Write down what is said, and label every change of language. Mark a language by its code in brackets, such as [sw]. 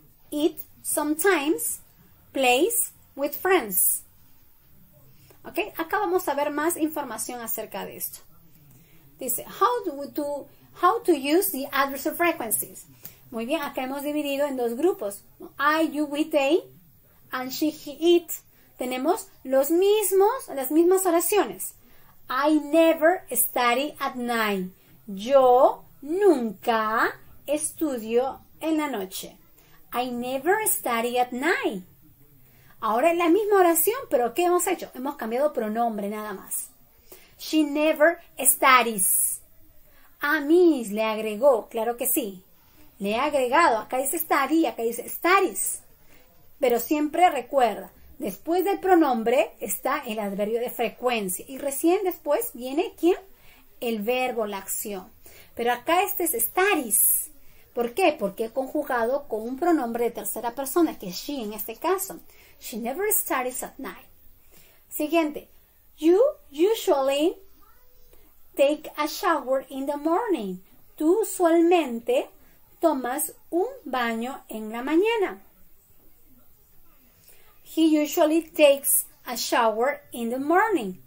[en] It sometimes plays with friends. [es] Ok, acá vamos a ver más información acerca de esto. Dice, [en] how to use the adverse frequencies. [es] Muy bien, acá hemos dividido en dos grupos. [en] I, you, we, they, and she, he, it. [es] Tenemos los mismos, las mismas oraciones. [en] I never study at night. [es] Yo nunca estudio en la noche. [en] I never study at night. [es] Ahora es la misma oración, pero ¿qué hemos hecho? Hemos cambiado pronombre nada más. [en] She never studies. [es] A mí le agregó, claro que sí. Le he agregado, acá dice study, acá dice studies. Pero siempre recuerda, después del pronombre está el adverbio de frecuencia. Y recién después viene ¿quién? El verbo, la acción. Pero acá este es studies. ¿Por qué? Porque he conjugado con un pronombre de tercera persona, que es she en este caso. [en] She never studies at night. [es] Siguiente. [en] You usually take a shower in the morning. [es] Tú usualmente tomas un baño en la mañana. [en] He usually takes a shower in the morning.